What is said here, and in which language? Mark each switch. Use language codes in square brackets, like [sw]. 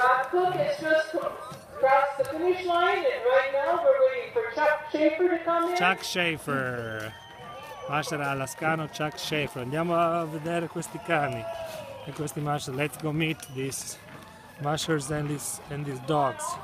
[en] Cooke has just crossed the finish line and right now we're waiting for Chuck Schaefer to come in. Chuck Schaefer. Marshal Alaskano Chuck Schaefer. [it] Andiamo a vedere questi cani e questi marshal. [en] Let's go meet these marshals and these dogs.